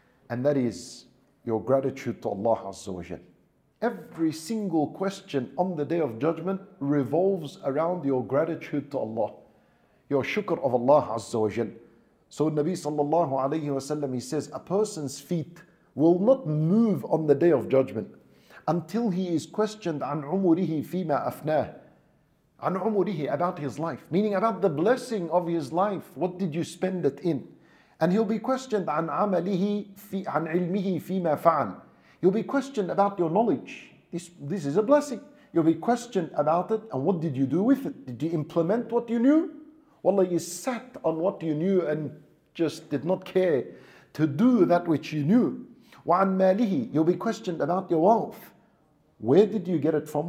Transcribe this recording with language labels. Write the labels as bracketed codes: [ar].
[en] And that is your gratitude to Allah Azza wa Jal. Every single question on the Day of Judgment revolves around your gratitude to Allah, your shukr of Allah Azza wa Jal. So Nabi sallallahu alayhi wa sallam, he says, a person's feet will not move on the Day of Judgment until he is questioned [ar] عن عمره فيما أفناه. عن عمره, [en] about his life, meaning about the blessing of his life. What did you spend it in? And he'll be questioned [ar] عن عمله في, عن علمه فيما فعل. [en] You'll be questioned about your knowledge. This is a blessing. You'll be questioned about it. And what did you do with it? Did you implement what you knew? Wallah, you sat on what you knew and just did not care to do that which you knew. [ar] وَعَنْ مَالِهِ, [en] you'll be questioned about your wealth. Where did you get it from?